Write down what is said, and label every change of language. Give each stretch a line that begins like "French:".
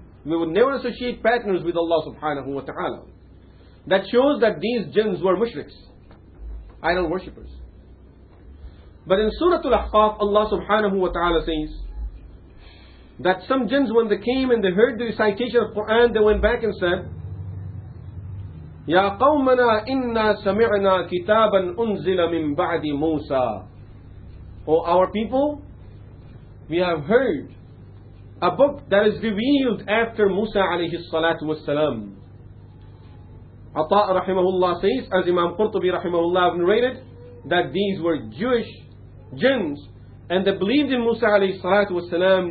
English: We would never associate partners with Allah subhanahu wa ta'ala. That shows that these jinns were mushriks, idol worshippers. But in Surah Al-Ahqaf, Allah subhanahu wa ta'ala says that some jinns, when they came and they heard the recitation of Quran, they went back and said,
Arabic: يا قومنا إنا سمعنا كتابا أنزل من بعد موسى.
English: O our people, we have heard a book that is revealed after Musa
Arabic: عليه الصلاة والسلام.
English: عطاء
Arabic: رحمه الله
English: says, as Imam Qurtubi رحمه الله have narrated, that these were Jewish jinns and they believed in Musa
Arabic: عليه الصلاة والسلام.